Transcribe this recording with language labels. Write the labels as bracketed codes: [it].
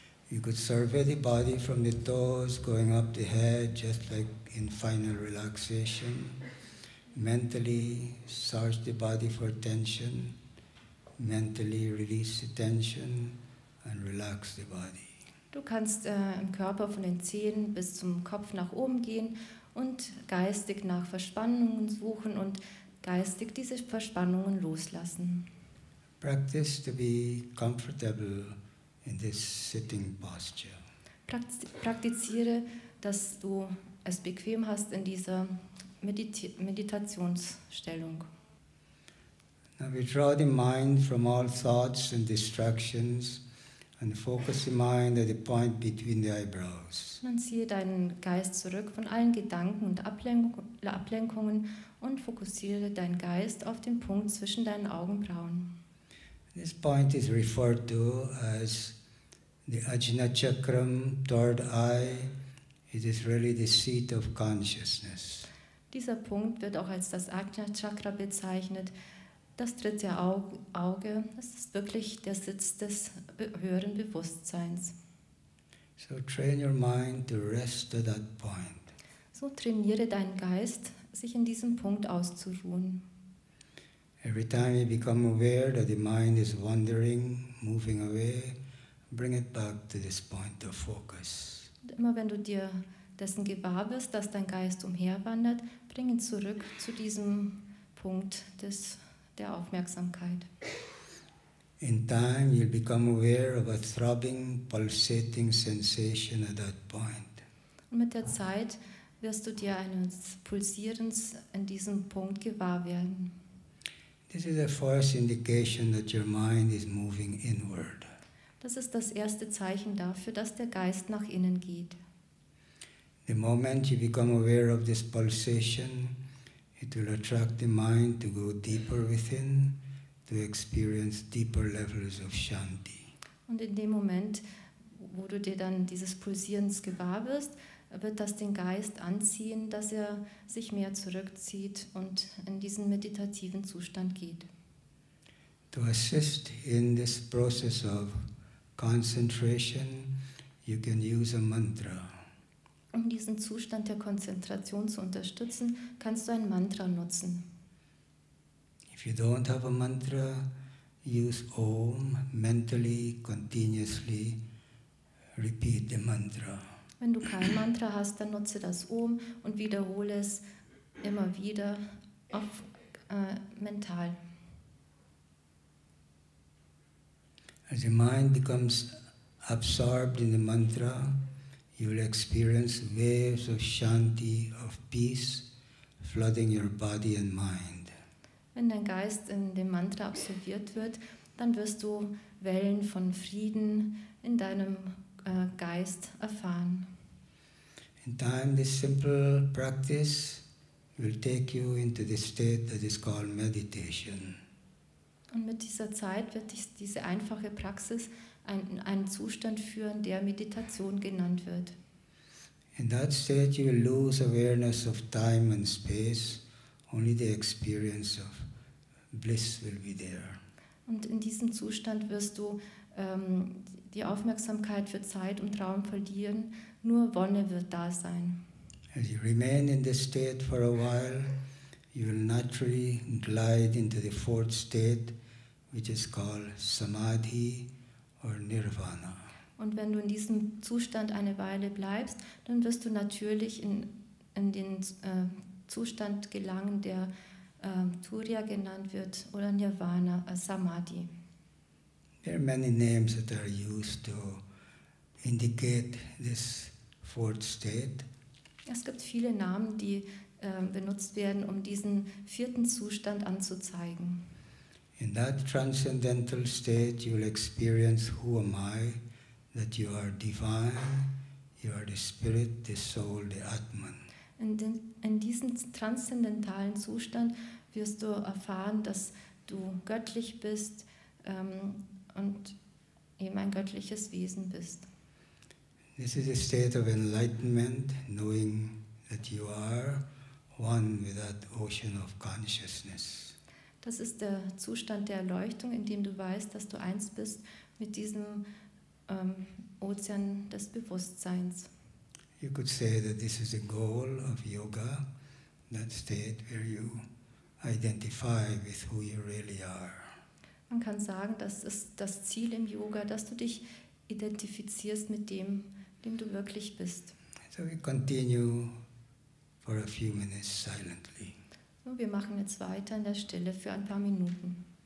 [en] You could survey the body from the toes going up the head, just like in final relaxation. mentally search the body for tension, mentally release the tension and relax the body. [de] Du kannst im Körper von den Zehen bis zum Kopf nach oben gehen und geistig nach Verspannungen suchen und geistig diese Verspannungen loslassen. [en] Practice to be comfortable in this sitting posture. [de] Praktiziere, dass du es bequem hast in dieser Meditationsstellung. [en] Now withdraw the mind from all thoughts and distractions and focus the mind at the point between the eyebrows. [de] Dann ziehe deinen Geist zurück von allen Gedanken und Ablenkungen und fokussiere deinen Geist auf den Punkt zwischen deinen Augenbrauen. [en] This point is referred to as the Ajna Chakram, third eye. It is really the seat of consciousness. [de] Dieser Punkt wird auch als das Ajna Chakra bezeichnet. Das dritte Auge, das ist wirklich der Sitz des höheren Bewusstseins. [en] So train your mind to rest at that point. [de] So trainiere deinen Geist, sich in diesem Punkt auszuruhen. [en] Every time you become aware that the mind is wandering, moving away, bring it back to this point of focus. [de] Immer wenn du dir dessen gewahr wirst, dass dein Geist umherwandert, bring ihn zurück zu diesem Punkt des der Aufmerksamkeit. [en] In time you'll become aware of a throbbing, pulsating sensation at that point. [de] Und mit der Zeit wirst du dir eines Pulsierens in diesem Punkt gewahr werden. [en] This is the first indication that your mind is moving inward. [de] Das ist das erste Zeichen dafür, dass der Geist nach innen geht. [en] The moment you become aware of this pulsation, it will attract the mind to go deeper within, to experience deeper levels of Shanti. [de] Und in dem Moment, wo du dir dann dieses Pulsierens gewahr wirst, wird das den Geist anziehen, dass er sich mehr zurückzieht und in diesen meditativen Zustand geht. [en] To assist in this process of concentration, you can use a mantra. [de] Um diesen Zustand der Konzentration zu unterstützen, kannst du ein Mantra nutzen. [en] If you don't have a mantra, use Om mentally, continuously, repeat the mantra. [de] Wenn du kein Mantra hast, dann nutze das Om und wiederhole es immer wieder auf mental. [en] As your mind becomes absorbed in the mantra, you will experience waves of shanti, of peace, flooding your body and mind. [de] Wenn dein Geist in dem Mantra absorbiert wird, dann wirst du Wellen von Frieden in deinem Geist erfahren. [en] In time, this simple practice will take you into the state that is called meditation. [de] Und mit dieser Zeit wird dich diese einfache Praxis einen Zustand führen, der Meditation genannt wird. [en] In that state you will lose awareness of time and space. Only the experience of bliss will be there. [de] Und in diesem Zustand wirst du die Aufmerksamkeit für Zeit und Raum verlieren. Nur Wonne wird da sein. [en] As you remain in this state for a while, you will naturally glide into the fourth state, which is called Samadhi. Or Nirvana. [de] Und wenn du in diesem Zustand eine Weile bleibst, dann wirst du natürlich in den Zustand gelangen, der Turiya genannt wird, oder Nirvana, Samadhi. [en] There are many names that are used to indicate this fourth state. [de] Es gibt viele Namen, die benutzt werden, um diesen vierten Zustand anzuzeigen. [en] In that transcendental state, you will experience who am I, that you are divine, you are the spirit, the soul, the Atman. [de] In diesem transzendentalen Zustand wirst du erfahren, dass du göttlich bist und eben ein göttliches Wesen bist. [en] This is a state of enlightenment, knowing that you are one with that ocean of consciousness. [de] Das ist der Zustand der Erleuchtung, in dem du weißt, dass du eins bist mit diesem Ozean des Bewusstseins. [en] You could say that this is the goal of yoga, that state where you identify with who you really are. [de] Man kann sagen, das ist das Ziel im Yoga, dass du dich identifizierst mit dem, dem du wirklich bist. [en] So we continue for a few minutes silently. [de] So, wir machen jetzt weiter in der Stille für ein paar Minuten.